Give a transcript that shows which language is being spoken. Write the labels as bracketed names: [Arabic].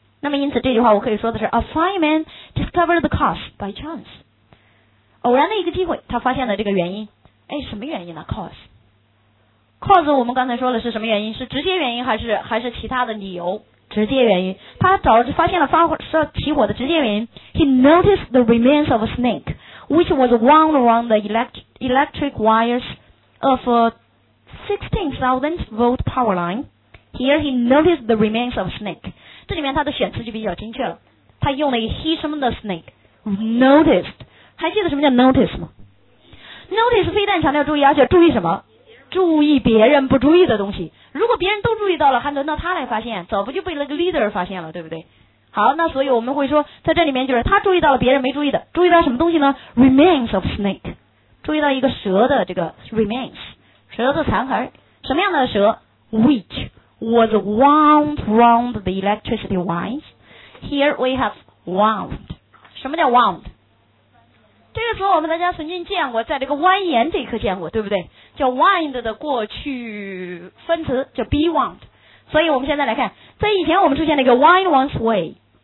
[Chinese] 那么因此这句话我可以说的是 [English] a fireman discovered the cause by chance， [Chinese] 偶然的一个机会他发现了这个原因。哎，什么原因呢？ cause， cause 我们刚才说的是什么原因？是直接原因还是其他的理由？直接原因，他找发现了起火的直接原因。 [English] He noticed the remains of a snake which was wound around the electric wires of a 16,000 volt power line. Here he noticed the remains of a snake. [Chinese] 这里面他的选词就比较精确了，他用了一个 he 什么的 [English] snake noticed。 [Chinese] 还记得什么叫 notice 吗？notice 非但强调注意，而且注意什么？注意别人不注意的东西。如果别人都注意到了还轮到他来发现，早不就被那个 leader 发现了，对不对？好，那所以我们会说在这里面就是他注意到了别人没注意的，注意到什么东西呢？ [English] Remains of snake， [Chinese] 注意到一个蛇的这个 remains， 蛇的残骸，什么样的蛇？ [English] Which was wound round the electricity wires。 Here we have wound， [Chinese] 什么叫 [English] wound？ [Chinese] 这个时候我们大家曾经见过，在这个蜿蜒这一刻见过，对不对？叫 wind 的过去分词叫 [English] be wound。 [Chinese] 所以我们现在来看，在以前我们出现了一个 [English] wind one's way，